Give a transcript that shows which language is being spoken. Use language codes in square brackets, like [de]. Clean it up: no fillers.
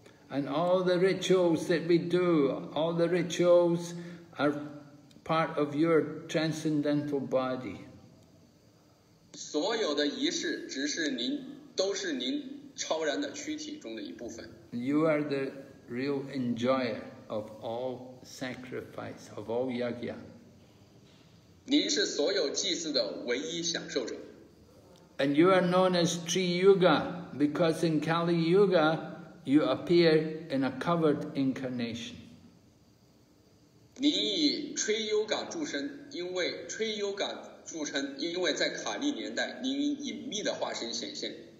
[en] And all the rituals that we do, all the rituals are part of your transcendental body. [zh] 所有的仪式只是您，都是您超然的躯体中的一部分。 [en] You are the real enjoyer of all sacrifice, of all yagya. [zh] 您是所有祭祀的唯一享受者。 [en] And you are known as Triyuga, because in Kali Yuga, you appear in a covered incarnation. [zh] 您以 Triyuga 著称，因为 Triyuga因为在卡利年代，您以隐秘的化身显现。